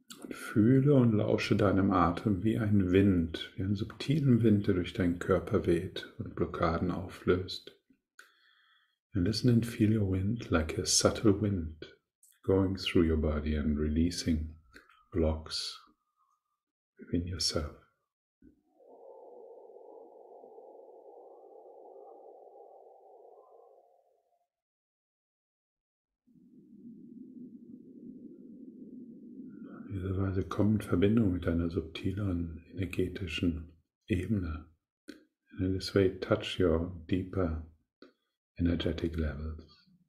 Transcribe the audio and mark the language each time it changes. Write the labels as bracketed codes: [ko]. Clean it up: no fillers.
[de] Fühle und lausche deinem Atem wie ein Wind, wie ein subtilen Wind, der durch deinen Körper weht und Blockaden auflöst. [en] And listen and feel your wind like a subtle wind going through your body and releasing blocks within yourself. [de] Also komm in Verbindung mit deiner subtileren energetischen Ebene. [en] And in this way touch your deeper energetic levels.